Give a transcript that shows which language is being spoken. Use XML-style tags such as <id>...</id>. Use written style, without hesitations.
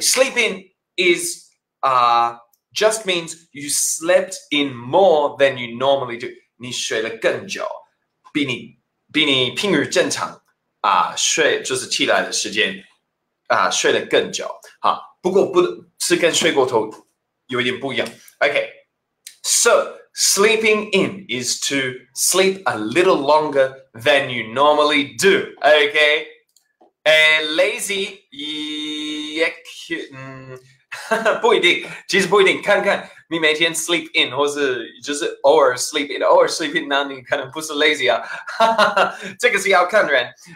<en>Sleep in is, just means you slept in more than you normally do.</en> <zh>你睡了更久，比你平日正常啊、睡就是起来的时间啊、睡了更久。好，不过不是跟睡过头有一点不一样。</zh> <en>Okay, so sleeping in is to sleep a little longer than you normally do.</en> <zh>Okay. Lazy 也可以、不一定，其实不一定，看看你每天 sleep in 或是就是偶尔 sleep in， 那你可能不是 lazy 啊，这个是要看人。</zh>